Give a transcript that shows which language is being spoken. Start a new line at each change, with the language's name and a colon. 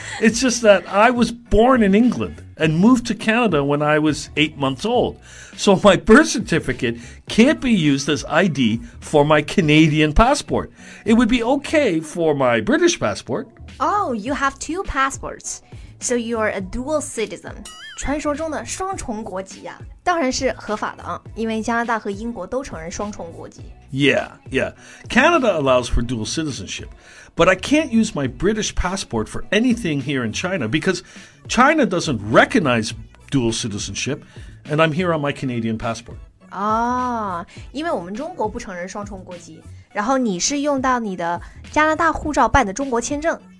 English: It's just that I was born in England and moved to Canada when I was 8 months old. So my birth certificate can't be used as ID for my Canadian passport. It would be okay for my British passport. Oh, you have 2 passports. So you are a dual citizen.
Chinese: 传说中的双重国籍啊，当然是合法的啊，因为加拿大和英国都承认双重国籍。
English: Yeah, yeah. Canada allows for dual citizenship, but I can't use my British passport for anything here in China because China doesn't recognize dual citizenship, and I'm here on my Canadian passport.
Chinese: 啊，因为我们中国不承认双重国籍，然后你是用到你的加拿大护照办的中国签证。